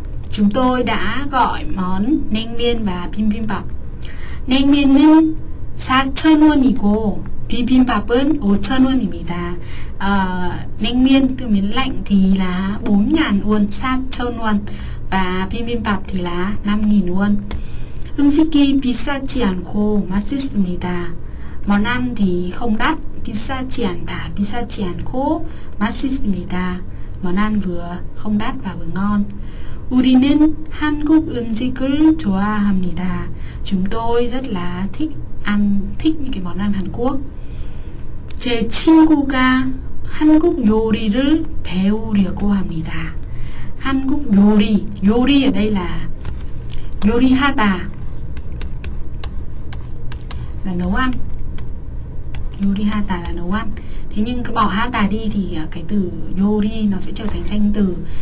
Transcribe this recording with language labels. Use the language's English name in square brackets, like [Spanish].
[Vietnamese] Chúng tôi đã gọi món naengmyeon và bibimbap. [Korean] Naengmyeon은 4,000 won이고 bibimbap은 5,000 won입니다. [Vietnamese] Naengmyeon tức miến lạnh thì là 4,000 won, 4,000 won, và bibimbap thì là 5,000 won. [Korean] 음식이 비싸지 않고 맛있습니다. [Vietnamese] Món ăn thì không đắt, [Korean] 비싸지 않다, 비싸지 않고 맛있습니다. [Vietnamese] Món ăn vừa không đắt và vừa ngon. [Korean] 우리는 한국 음식을 좋아합니다. [Vietnamese] Chúng tôi rất là thích những cái món ăn Hàn Quốc. [Korean] 제 친구가 한국 요리를 배우려고 합니다. [Vietnamese] 한국 요리, 요리 ở đây là 요리하다, là nấu ăn. 요리하다 là nấu ăn. Thế nhưng cứ bỏ 하다 đi thì cái từ 요리 nó sẽ trở thành danh từ.